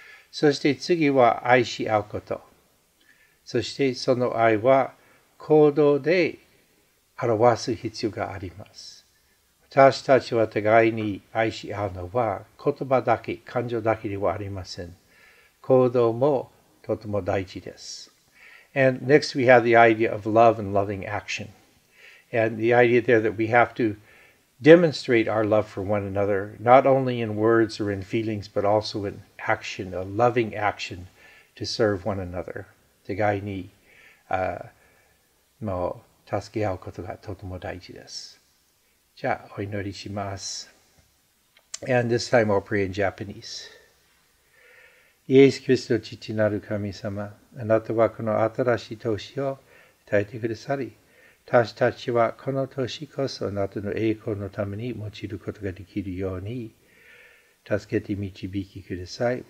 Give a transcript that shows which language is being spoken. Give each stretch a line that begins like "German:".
Japanese: そして次は愛し合うこと。そしてその愛は行動で表す必要があります。私たちは互いに愛し合うのは言葉だけ、感情だけではありません。行動もとても大事です。
English: And next we have the idea of love and loving action. And the idea there that we have to demonstrate our love for one another, not only in words or in feelings, but also in action, a loving action to serve one another.
Japanese: 互いに、もう助け合うことがとても大事です。じゃあ、お祈りします。
English: And this time I'll pray in Japanese.
Japanese: イエス・キリスト父なる神様、あなたはこの新しい年を与えてくださり、私たちはこの年こそあなたの栄光のために用いることができるように、助けて導きください。